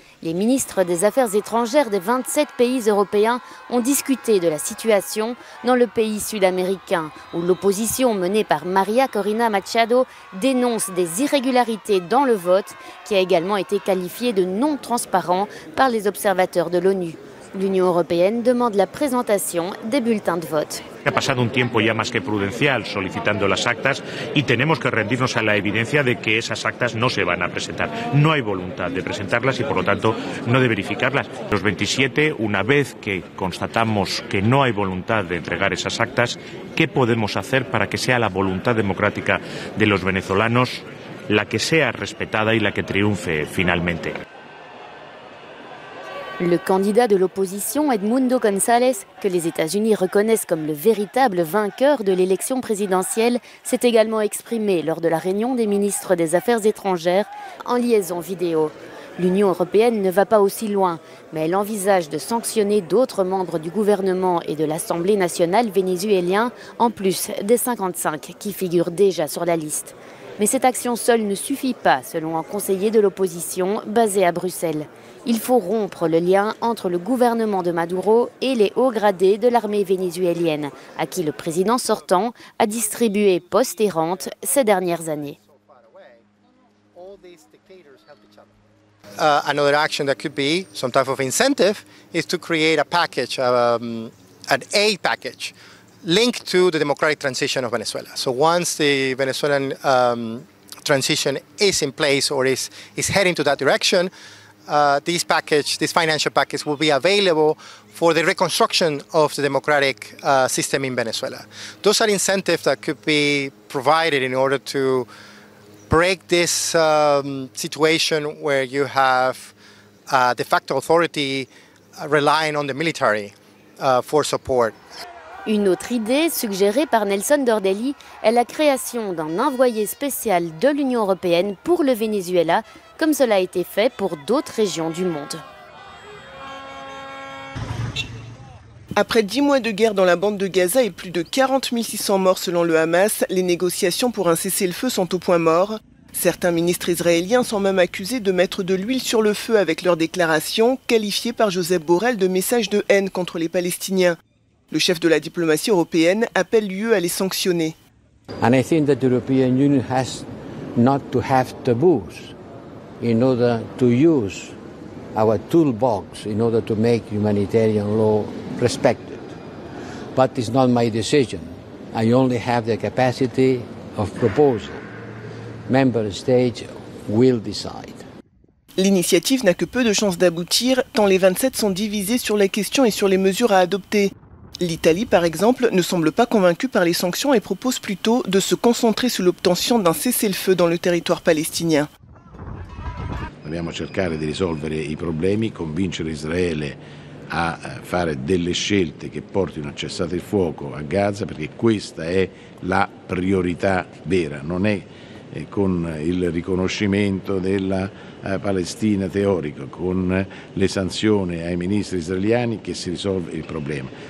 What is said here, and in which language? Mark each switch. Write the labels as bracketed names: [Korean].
[French] Les ministres des Affaires étrangères des 27 pays européens ont discuté de la situation dans le pays sud-américain, où l'opposition menée par Maria Corina Machado dénonce des irrégularités dans le vote, qui a également été qualifié de non transparent par les observateurs de l'ONU. L'Union européenne demande la présentation des bulletins de vote. Il a passé un temps [Spanish] ya más que prudencial solicitando las actas y tenemos que rendirnos a la evidencia de que esas actas no se van a presentar. No hay voluntad de presentarlas y por lo tanto no de verificarlas. Los 27, una vez que constatamos que no hay voluntad de entregar esas actas, ¿qué podemos hacer para que sea la voluntad democrática de los venezolanos la que sea respetada y la que triunfe finalmente? [French] Le candidat de l'opposition, Edmundo González, que les États-Unis reconnaissent comme le véritable vainqueur de l'élection présidentielle, s'est également exprimé lors de la réunion des ministres des Affaires étrangères en liaison vidéo. L'Union européenne ne va pas aussi loin, mais elle envisage de sanctionner d'autres membres du gouvernement et de l'Assemblée nationale vénézuélien, en plus des 55 qui figurent déjà sur la liste. Mais cette action seule ne suffit pas, selon un conseiller de l'opposition basé à Bruxelles. Il faut rompre le lien entre le gouvernement de Maduro et les hauts gradés de l'armée vénézuélienne, à qui le président sortant a distribué postes et rentes ces dernières années. [English] Another action that could be some type of incentive is to create a package, an aid package, linked to the democratic transition of Venezuela. So once the Venezuelan transition is in place or is heading to that direction, this package, this financial package, will be available for the reconstruction of the democratic system in Venezuela. Those are incentives that could be provided in order to break this situation where you have de facto authority relying on the military for support. [French] Une autre idée suggérée par Nelson Dordelli est la création d'un envoyé spécial de l'Union européenne pour le Venezuela, comme cela a été fait pour d'autres régions du monde. Après 10 mois de guerre dans la bande de Gaza et plus de 40 600 morts selon le Hamas, les négociations pour un cessez-le-feu sont au point mort. Certains ministres israéliens sont même accusés de mettre de l'huile sur le feu avec leurs déclarations, qualifiées par Josep Borrell de messages de haine contre les Palestiniens. Le chef de la diplomatie européenne appelle l'UE à les sanctionner. [English] And I think that the European Union has not to have taboos in order to use our toolbox in order to make humanitarian law respected. But it's not my decision. I only have the capacity of proposal. Member states will decide. [French] L'initiative n'a que peu de chances d'aboutir tant les 27 sont divisés sur les questions et sur les mesures à adopter. L'Italie, par exemple, ne semble pas convaincue par les sanctions et propose plutôt de se concentrer sur l'obtention d'un cessez-le-feu dans le territoire palestinien. [Italian] Dobbiamo cercare di risolvere i problemi, convincere Israele a fare delle scelte che portino a cessate il fuoco a Gaza, perché questa è la priorità vera, non è con il riconoscimento della Palestina teorico, con le sanzioni ai ministri israeliani che si risolve il problema.